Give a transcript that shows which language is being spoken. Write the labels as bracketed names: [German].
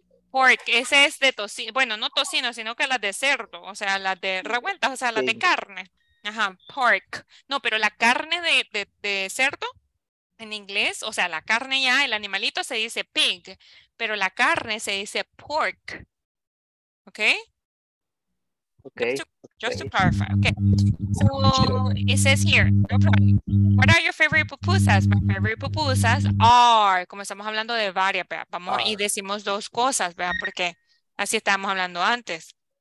[Spanish] Pork, ese es de tocino, bueno, no tocino, sino que las de cerdo, o sea, las de revueltas, o sea, las de carne. Ajá, pork. No, pero la carne de cerdo, en inglés, o sea, la carne ya, el animalito se dice pig, pero la carne se dice pork. ¿Ok? Ok. [English] Just to clarify, okay. So, it says here, what are your favorite pupusas? My favorite pupusas are, [Spanish] como estamos hablando de varias, vea, vamos y decimos dos cosas, vea, porque así estábamos hablando antes.